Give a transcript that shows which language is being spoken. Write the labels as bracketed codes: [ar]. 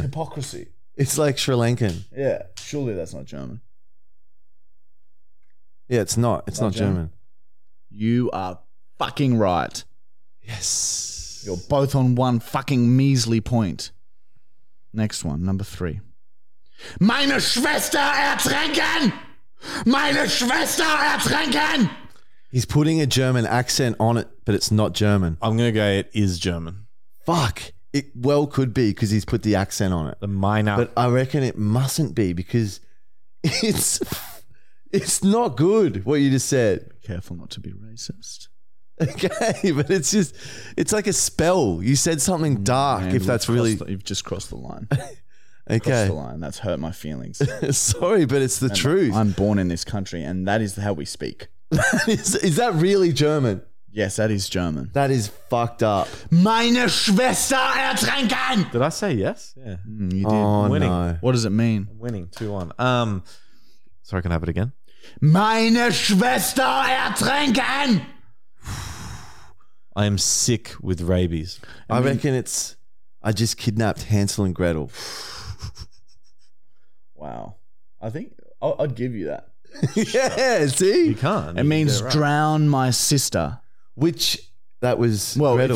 [en] It's hypocrisy. It's like Sri Lankan. Yeah, surely that's not German. Yeah, it's not. It's not, not German. German. You are fucking right. Yes. You're both on one fucking measly point. Next one, number three. [de] Meine Schwester ertränken! Meine Schwester ertränken! [en] He's putting a German accent on it, but it's not German. I'm going to go, it is German. Fuck. It well could be because he's put the accent on it. The minor. But I reckon it mustn't be because it's it's not good what you just said. Be careful not to be racist. Okay, but it's just, it's like a spell. You said something dark. Man, if that's really... You've just crossed the line. Okay. Crossed the line. That's hurt my feelings. Sorry, but it's the truth. I'm born in this country and that is how we speak. Is that really German? Yes, that is German. That is fucked up. [de] Meine Schwester ertränken! [en] Did I say yes? Yeah. Mm, you did. Oh, winning. No. What does it mean? I'm winning. 2-1. Sorry, can I have it again? [de] Meine Schwester ertränken! [en] I am sick with rabies. I mean, reckon it's... I just kidnapped Hansel and Gretel. Wow. I think... I'd give you that. Yeah, see? You can't. It means right. Drown my sister. Which, that was well, Gretel.